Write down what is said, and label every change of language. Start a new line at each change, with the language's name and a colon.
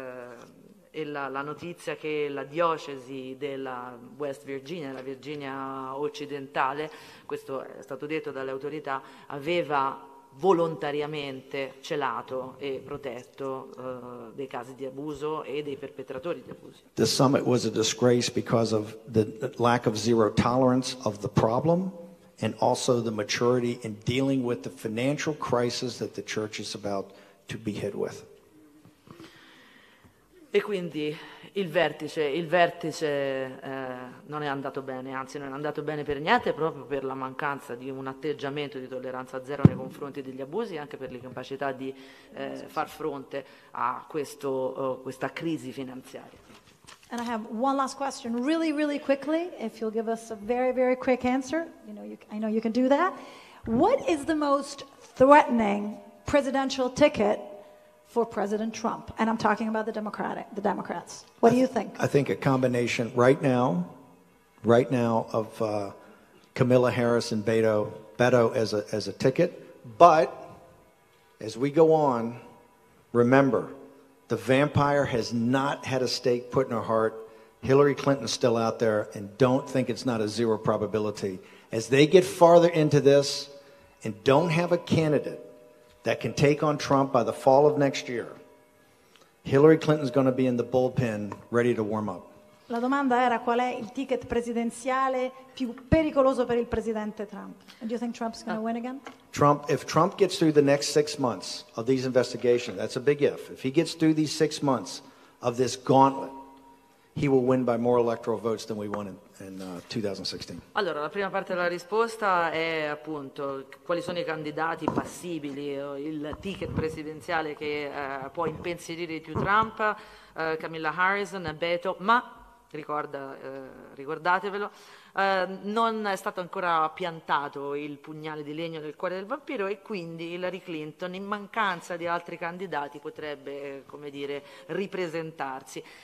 Italian: È di ieri sera la notizia che la diocesi della West Virginia, la Virginia occidentale, questo è stato detto dalle autorità, aveva volontariamente celato e protetto dei casi di abuso e dei perpetratori di abusi.
English: The summit was a disgrace because of the lack of zero tolerance of the problem, and also the maturity in dealing with the financial crisis that the church is about to be hit with.
Italian: E quindi il vertice non è andato bene, anzi non è andato bene per niente, proprio per la mancanza di un atteggiamento di tolleranza zero nei confronti degli abusi, anche per l'incapacità di far fronte a questa crisi finanziaria.
English: And I have one last question, really, really quickly, if you'll give us a very, very quick answer. I know you can do that. What is the most threatening presidential ticket for President Trump? And I'm talking about the Democrats. What do you think? I think a combination right now of Kamala Harris and Beto as a ticket. But as we go on, remember, the vampire has not had a stake put in her heart. Hillary Clinton's still out there, and don't think it's not a zero probability. As they get farther into this and don't have a candidate that can take on Trump by the fall of next year, Hillary Clinton's going to be in the bullpen ready to warm up.
Italian: La domanda era qual è il ticket presidenziale più pericoloso per il presidente Trump.
English: And do you think Trump's going to win again? Trump, if Trump gets through the next 6 months of these investigations, that's a big if he gets through these 6 months of this gauntlet, he will win by more electoral votes than we won in 2016.
Italian: Allora, la prima parte della risposta è appunto quali sono i candidati passibili, il ticket presidenziale che può impensierire più Trump, Kamala Harris, Beto, ma ricordatevelo, non è stato ancora piantato il pugnale di legno nel cuore del vampiro e quindi Hillary Clinton, in mancanza di altri candidati, potrebbe, come dire, ripresentarsi.